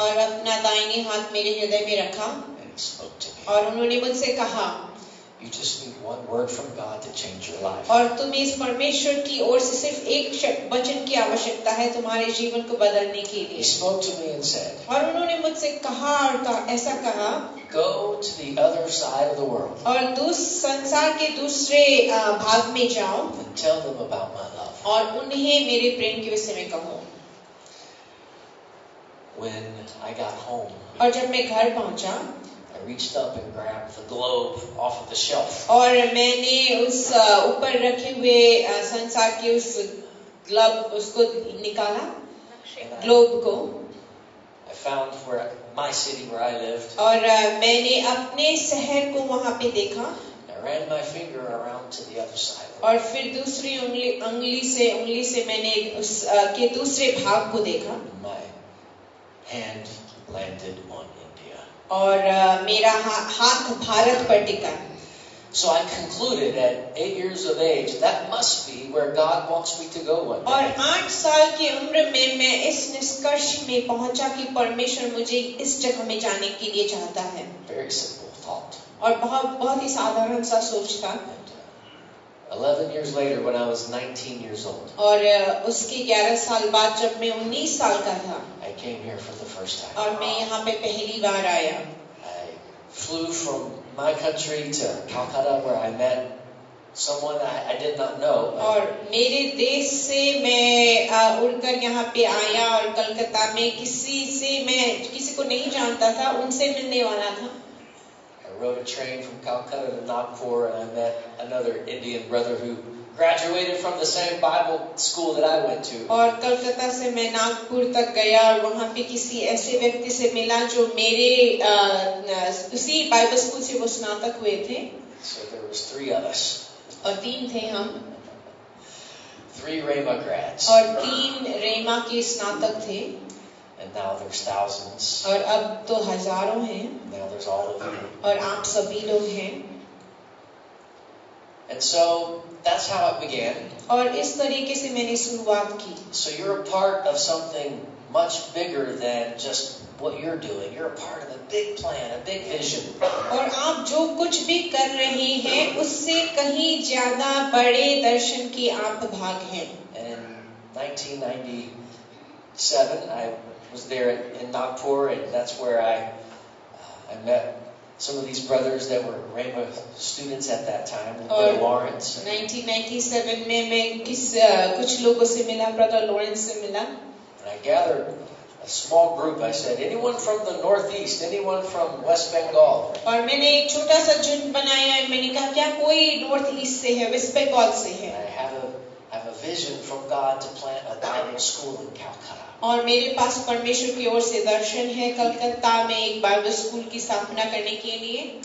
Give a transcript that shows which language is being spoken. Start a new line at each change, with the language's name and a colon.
Hindi: और अपना दाहिने हाथ मेरे हृदय में रखा.
English: And he spoke to me.
Hindi: और उन्होंने मुझसे कहा.
English: You just need one word from God to change your life.
Hindi: और तुम्हें इस परमेश्वर की ओर से सिर्फ एक वचन की आवश्यकता है तुम्हारे जीवन को बदलने के लिए.
English: He spoke to me and said.
Hindi: और उन्होंने मुझसे कहा और ऐसा कहा.
English: Go to the other side of the world.
Hindi: और दूस संसार के दूसरे भाग में जाओ.
English: And tell them about my love.
Hindi: और उन्हें मेरे प्रेम के विषय में कहो.
English: When I got home.
Hindi: और जब मैं घर पहुंचा.
English: I reached up and grabbed the globe off of the shelf.
Hindi: और मैंने उस ऊपर रखे हुए संसार के उस ग्लोब उसको निकाला. ग्लोब को.
English: I found where my city where I lived.
Hindi: और मैंने अपने शहर को वहाँ पे देखा.
English: I ran my finger around to the other side.
Hindi: और फिर दूसरी उंगली से मैंने उस के दूसरे भाग को देखा.
English: My hand landed on India.
Hindi: और मेरा हाथ भारत पर टिका.
English: So I concluded at 8 years of age, that must be where God wants me to go one day.
Hindi: और 8 साल की उम्र में मैं इस निष्कर्ष में पहुंचा कि परमेश्वर मुझे इस जगह में जाने के लिए चाहता है.
English: Very simple thought. और बहुत ही साधारण सा सोच था. A 11 years later when I was 19 years old.
Hindi: और उसके 11 साल बाद जब मैं 19 साल का था.
English: I came here for the first time.
Hindi: और मैं यहाँ पे पहली बार आया.
English: I flew from my country to Calcutta where I met someone I did not know.
Hindi: और मेरे देश से मैं उड़कर यहाँ पे आया और कलकत्ता में किसी से मैं किसी को नहीं जानता था उनसे मिलने वाला था.
English: Rode a train from Calcutta to Nagpur and I met another Indian brother who graduated from the same Bible school that I went to.
Hindi: और कलकत्ता से मैं नागपुर तक गया और वहाँ पे किसी ऐसे व्यक्ति से मिला जो मेरे उसी Bible school से वो स्नातक हुए थे.
English: So there was three of us.
Hindi: और तीन थे हम.
English: Three Rhema grads.
Hindi: और तीन Rhema के स्नातक थे.
English: And now there's thousands.
Hindi: और अब तो हजारों हैं.
English: Now there's all of you.
Hindi: और आप सभी लोग हैं.
English: And so that's how it began.
Hindi: और इस तरीके से मैंने शुरुआत की.
English: So you're a part of something much bigger than just what you're doing. You're a part of a big plan, a big vision.
Hindi: और आप जो कुछ भी कर रहे हैं उससे कहीं ज्यादा बड़े दर्शन के आप भाग हैं.
English: And in 1997, I was there in Nagpur, and that's where I met some of these brothers that were Rhema students at that time, Brother Lawrence.
Hindi: 1997, मैं कुछ लोगों से मिला, Brother Lawrence से मिला.
English: And I gathered a small group. I said, anyone from the Northeast? Anyone from West Bengal?
Hindi: और मैंने एक छोटा सा जुट बनाया और मैंने कहा क्या कोई North East से है, West Bengal से है?
English: I have a vision from God to plant a Bible school in Calcutta.
Hindi: और मेरे पास परमेश्वर की ओर से दर्शन है कलकत्ता में एक बाइबल स्कूल की स्थापना करने के लिए.